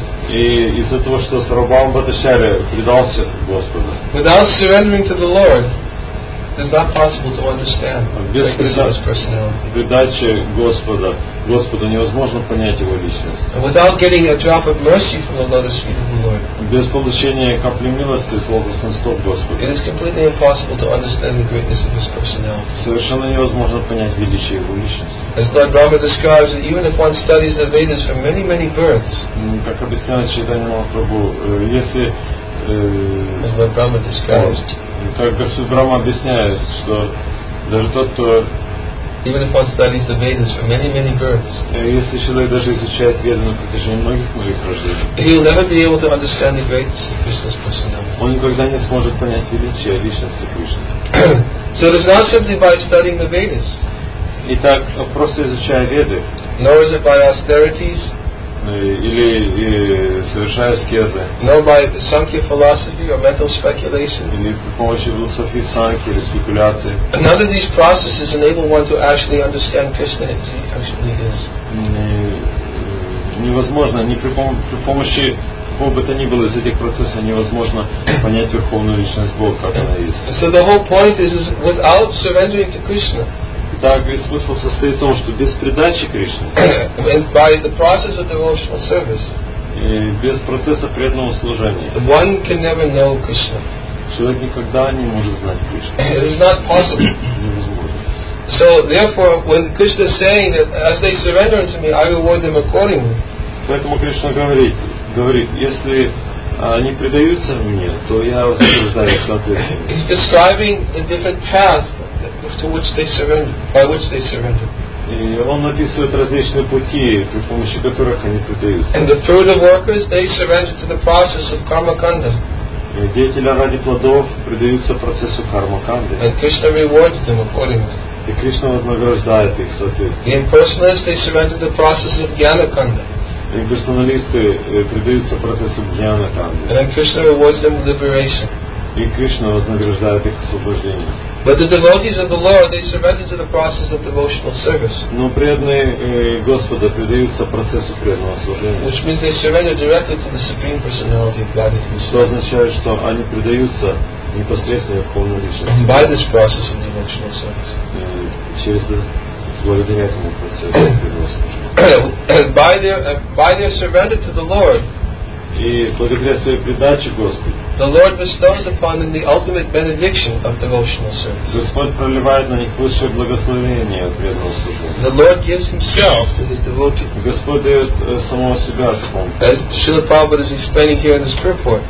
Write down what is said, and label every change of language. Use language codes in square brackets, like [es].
[ru] И из-за того, что Сарвабхаумавачарья предался Господу. [en] Without surrendering to the Lord, it's not possible to understand Krishna's personality. [ru] Без передачи Господа, Господу невозможно понять его личность. [en] And without getting a drop of mercy from the lotus feet of the Lord. [ru] Без получения капли милости с лотосных стоп Господа. [en] It is completely impossible to understand the greatness of his personality. [ru] Совершенно невозможно понять величие его личности. [en] As Lord Brahma describes that even if one studies the Vedas from many, many births. [ru] Как объясняет Чайтанья Махапрабху, если [en] As Lord Brahma describes. [ru] Как Господь Брама объясняет, что даже тот, кто [en] Even if one studies the Vedas for many, many births, [ru] если человек даже изучает Веды на протяжении многих рождений, [en] he'll never be able to understand the greatness of Krishna's personality. [ru] Он никогда не сможет понять величие личности Кришны. [en] So it is not simply by studying the Vedas. [ru] Итак, просто изучая Веды, [en] nor is it by austerities, [ru] или совершая аскезы. [en] Nor by Sankhya philosophy or mental speculation. [ru] Или при помощи философии Санки или спекуляции. [en] None of these processes enable one to actually understand Krishna as he actually is. [ru] Невозможно, ни при помощи какого бы то ни было из этих процессов невозможно понять Верховную Личность Бога, как она есть. [en] So the whole point is without surrendering to Krishna. [ru] Так, весь смысл состоит в том, что без предачи Кришне, [en] by the process of devotional service, [ru] и без процесса преданного служения, [en] one can never know Krishna. [ru] Человек никогда не может знать Кришну. [en] It is not possible. [ru] Невозможно. [en] So, therefore, when Krishna is saying that as they surrender unto me, I reward them accordingly. [ru] Поэтому Кришна говорит, если они предаются мне, то я вознаграждаю соответственно. [en] He's describing the different paths to which they surrender, by which they surrender. [ru] И он описывает различные пути, при помощи которых они предаются. [en] And the fruitive workers, they surrender to the process of karmakanda. [ru] И деятели ради плодов предаются процессу кармаканды. [en] And Krishna rewards them accordingly. [ru] И Кришна вознаграждает их соответственно. [en] The impersonalists, they surrender to the process of gyanakanda. [ru] Имперсоналисты предаются процессу гьяна канды. [en] And Krishna rewards them with liberation. [ru] И Кришна вознаграждает их освобождение. [en] But the devotees of the Lord, they surrender to the process of devotional service. [ru] Но преданные Господа предаются процессу преданного служения. [en] Which means they surrender directly to the Supreme Personality of Godhead. [ru] Что означает, что они предаются непосредственно Верховной Личности. [en] By this process of devotional service. [ru] Через благодаря этому процессу преданного служения. [en] By their surrender to the Lord, [ru] и благодаря своей предаче Господу, [en] the Lord bestows upon them the ultimate benediction of devotional service. [ru] Господь проливает на них высшее благословение от преданного служения. [en] The Lord gives Himself to His devotees. [ru] Господь дает самого себя такому. [en] As Srila Prabhupada is explaining here in this purport.